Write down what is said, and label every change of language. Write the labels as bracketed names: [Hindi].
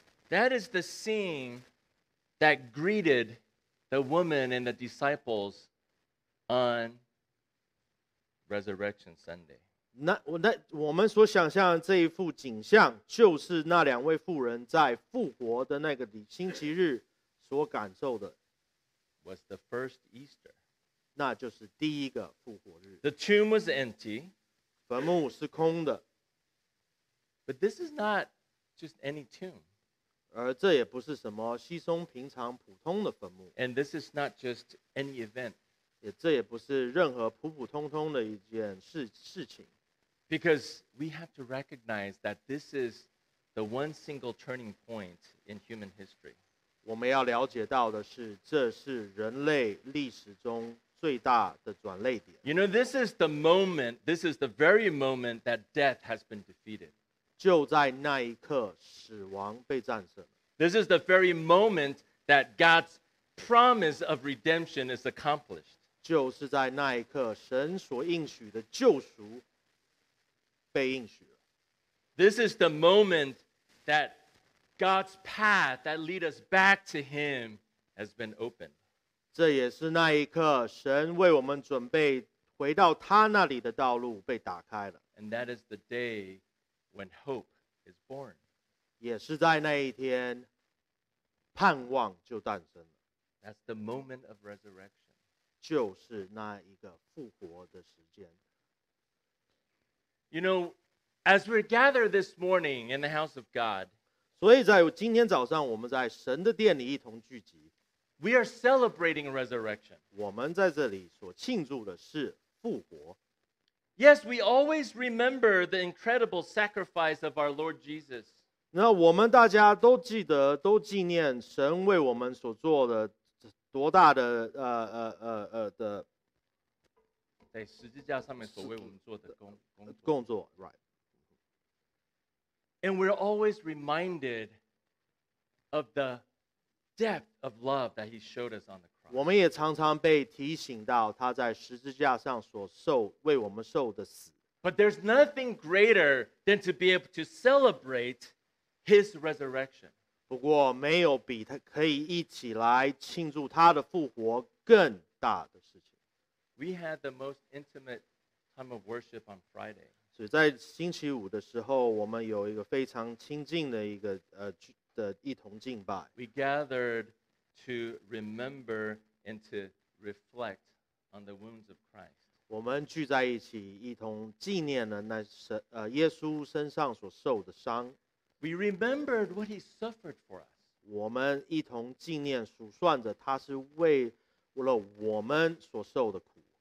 [English] That is the scene that greeted the woman and the disciples on Resurrection Sunday. [Chinese] 那我们所想象的这一幅景象，就是那两位妇人在复活的那个星期日。所感受的 [English] was the first Easter. [Chinese] 那就是第一个复活日。 [English] The tomb was empty. [Chinese] 坟墓是空的。 [English] But this is not just any tomb. [Chinese] 而这也不是什么稀松平常普通的坟墓。 [English] And this is not just any event. [Chinese] 也这也不是任何普普通通的一件事情。 [English] Because we have to recognize that this is the one single turning point in human history. [Chinese] 我们要了解到的是，这是人类历史中最大的转捩点。 [English] You know, this is the moment, this is the very moment that death has been defeated. [Chinese] 就在那一刻，死亡被战胜了。 [English] This is the very moment that God's promise of redemption is accomplished. [Chinese] 就是在那一刻，神所应许的救赎被应许了。 [English] This is the moment thatGod's path that lead us back to Him has been opened. [Chinese] 这也是那一刻，神为我们准备回到他那里的道路被打开了。 [English] And that is the day when hope is born. [Chinese] 也是在那一天，盼望就诞生了。 [English] That's the moment of resurrection. [Chinese] 就是那一个复活的时间。 [English] You know, as we gather this morning in the house of God, [Chinese] 所以在今天早上，我们在神的殿里一同聚集。 [English] We are celebrating resurrection. [Chinese] 我们在这里所庆祝的是复活。 [English] Yes, we always remember the incredible sacrifice of our Lord Jesus. [Chinese] 那我们大家都记得，都纪念神为我们所做的多大的的，在十字架上面所为我们做的工作 [English] ，right. And we're always reminded of the depth of love that He showed us on the cross. [Chinese] 我们也常常被提醒到他在十字架上所受为我们受的死。 [English] But there's nothing greater than to be able to celebrate His resurrection. [Chinese] 不过没有比他可以一起来庆祝他的复活更大的事情。 [English] We had the most intimate time of worship on Friday. [Chinese] 所以在星期五的时候，我们有一个非常亲近的一个的一同敬拜。 [English] We gathered to remember and to reflect on the wounds of Christ. [Chinese] 我们聚在一起，一同纪念了那耶稣身上所受的伤。 [English] We remembered what he suffered for us. [Chinese] 我们一同纪念数算着他是为了我们所受的苦。